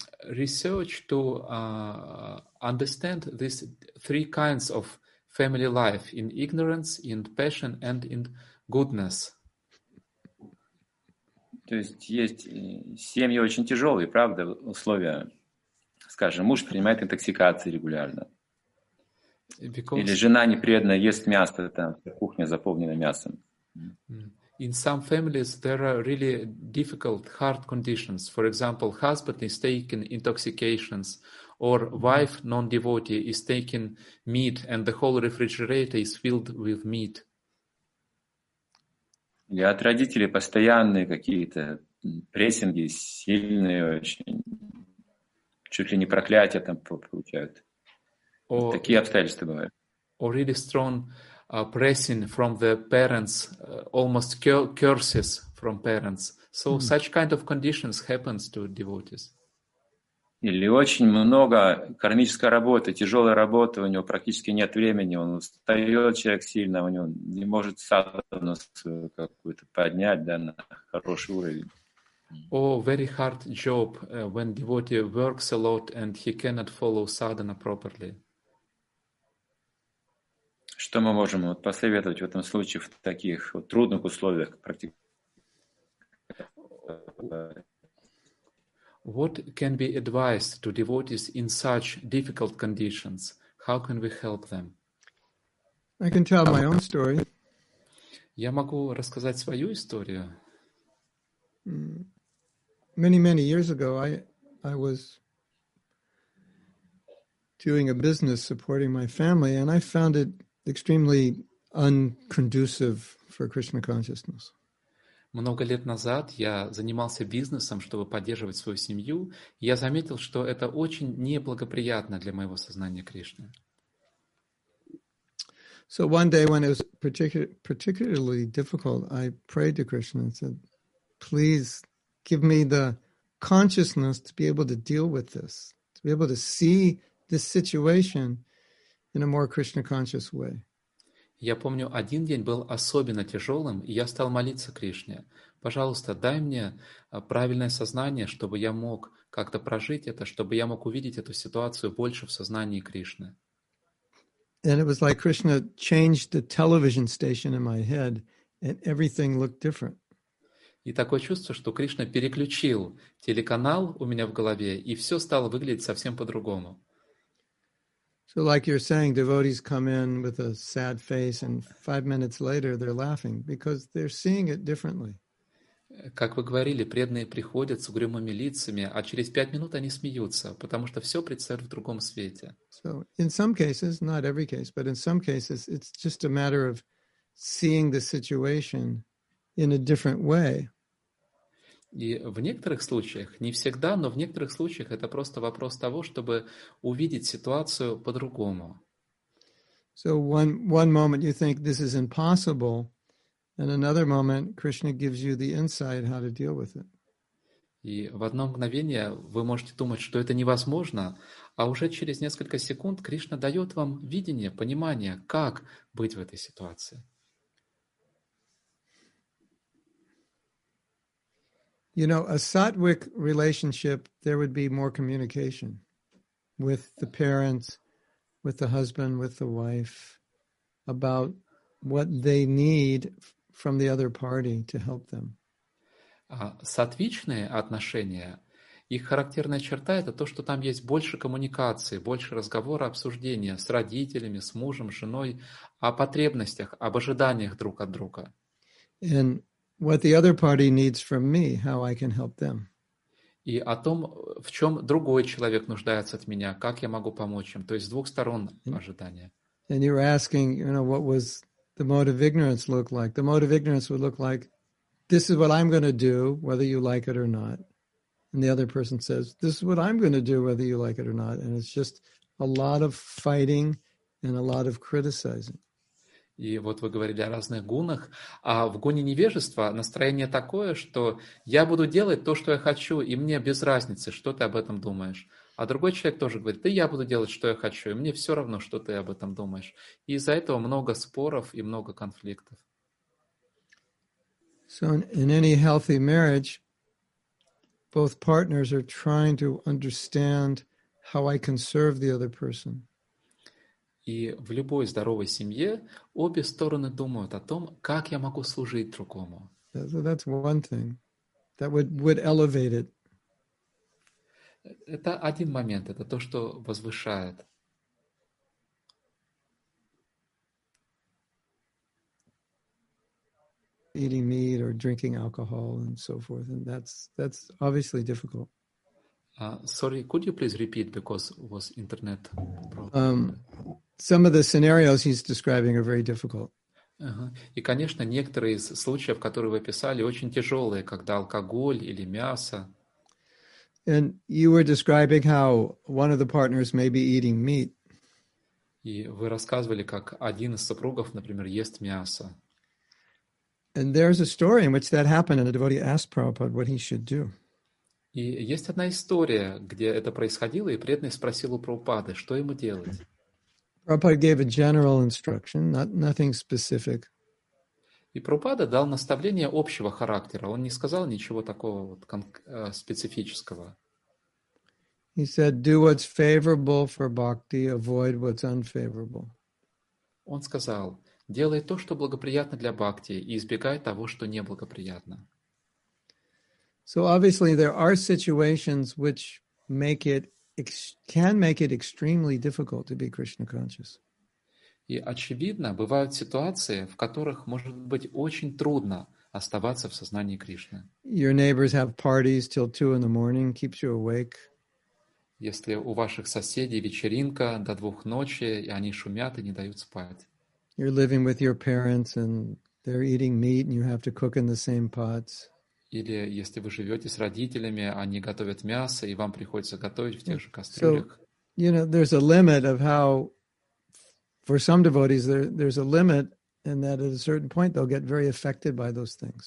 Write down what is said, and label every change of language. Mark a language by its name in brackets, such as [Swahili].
[English] research to understand these three kinds of family life: in ignorance, in passion, and in goodness. [Russian] То есть есть семьи очень тяжелые, правда, условия. Скажем, муж принимает интоксикации регулярно. Или жена непреданно ест мясо, там кухня заполнена мясом. [English] In some families there are really difficult, hard conditions. For example, husband is taking intoxications, or wife, non-devotee, is taking meat, and the whole refrigerator is filled with meat. [Russian] Или от родителей постоянные какие-то прессинги, сильные очень, чуть ли не проклятия там получают. Такие обстоятельства бывают. [English] Or really strong pressing from the parents, almost curses from parents. So such kind of conditions happens to devotees. [Russian] Или очень много кармической работы, тяжелой работы, у него практически нет времени, он устает человек сильно, у него не может садхану какую-то поднять, да, на хороший уровень. [English] Or very hard job when devotee works a lot and he cannot follow sadhana properly. [Russian] Что мы можем вот посоветовать в этом случае в таких вот трудных условиях практики? [English] What can be advised to devotees in such difficult conditions? How can we help them? I can tell my own story. [Russian] Я могу рассказать свою историю. [English] Many, many years ago I was doing a business supporting my family, and I found it extremely unconducive for Krishna consciousness. [Russian] Много лет назад я занимался бизнесом, чтобы поддерживать свою семью. Я заметил, что это очень неблагоприятно для моего сознания Кришны. [English] So one day when it was particularly difficult, I prayed to Krishna and said, please give me the consciousness to be able to deal with this, to be able to see this situation in a more Krishna-conscious way. [Russian] Я помню, один день был особенно тяжелым, и я стал молиться Кришне: пожалуйста, дай мне правильное сознание, чтобы я мог как-то прожить это, чтобы я мог увидеть эту ситуацию больше в сознании Кришны. [English] And it was like Krishna changed the television station in my head, and everything looked different. [Russian] И такое чувство, что Кришна переключил телеканал у меня в голове, и все стало выглядеть совсем по-другому. [English] So like you're saying, devotees come in with a sad face and 5 minutes later they're laughing because they're seeing it differently. [Russian] Как вы говорили, преданные приходят с угрюмыми лицами, а через 5 минут они смеются, потому что все предстает в другом свете. [English] So in some cases, not every case, but in some cases, it's just a matter of seeing the situation in a different way. [Russian] И в некоторых случаях, не всегда, но в некоторых случаях это просто вопрос того, чтобы увидеть ситуацию по-другому. [English] So one moment you think this is impossible, and another moment Krishna gives you the insight how to deal with it. [Russian] И в одно мгновение вы можете думать, что это невозможно, а уже через несколько секунд Кришна дает вам видение, понимание, как быть в этой ситуации. [English] You know, a sattvic relationship, there would be more communication with the parents, with the husband, with the wife, about what they need from the other party to help them. [Russian] Сатвичные отношения, их характерная черта — это то, что там есть больше коммуникации, больше разговора, обсуждения с родителями, с мужем, женой о потребностях, об ожиданиях друг от друга. [English] And what the other party needs from me, how I can help them. [Russian] И о том, в чем другой человек нуждается от меня, как я могу помочь им. То есть с двух сторон ожидания. [English] And you're asking, you know, what was the mode of ignorance look like? The mode of ignorance would look like, this is what I'm going to do, whether you like it or not. And the other person says, this is what I'm going to do, whether you like it or not. And it's just a lot of fighting and a lot of criticizing. [Russian] И вот вы говорили о разных гунах, а в гуне невежества настроение такое, что я буду делать то, что я хочу, и мне без разницы, что ты об этом думаешь. А другой человек тоже говорит, да я буду делать, что я хочу, и мне все равно, что ты об этом думаешь. И из-за этого много споров и много конфликтов. [English] So in any healthy marriage, both partners are trying to understand how I can serve the other person. [Russian] И в любой здоровой семье обе стороны думают о том, как я могу служить другому. [English] So that's one thing that would elevate it. [Russian] Это один момент, это то, что возвышает. [English] Eating meat or drinking alcohol and so forth, and that's obviously difficult. Sorry, could you please repeat, because it was internet problem. Some of the scenarios he's describing are very difficult. [Russian] И, конечно, некоторые из случаев, которые вы описали, очень тяжелые, когда алкоголь или мясо. [English] And you were describing how one of the partners may be eating meat. [Russian] И вы рассказывали, как один из супругов, например, ест мясо. [English] And there's a story in which that happened, and a devotee asked Prabhupada what he should do. [Russian] И есть одна история, где это происходило, и преданный спросил у Прабхупады, что ему делать. [English] Prabhupada gave a general instruction, nothing specific. [Russian] И Прабхупада дал наставление общего характера. Он не сказал ничего такого вот специфического. [English] He said, do what's favorable for bhakti, avoid what's unfavorable. [Russian] Он сказал, делай то, что благоприятно для бхакти, и избегай того, что неблагоприятно. [English] So obviously there are situations which can make it extremely difficult to be Krishna conscious. [Russian] И очевидно, бывают ситуации, в которых может быть очень трудно оставаться в сознании Кришны. [English] Your neighbors have parties till 2 in the morning, keeps you awake. [Russian] Если у ваших соседей вечеринка до 2 ночи, и они шумят и не дают спать. [English] You're living with your parents and they're eating meat and you have to cook in the same pots. [Russian] Или если вы живете с родителями, они готовят мясо, и вам приходится готовить в тех же кастрюлях. [English] So, you know, there's a limit of how, for some devotees, there's a limit, and that at a certain point they'll get very affected by those things.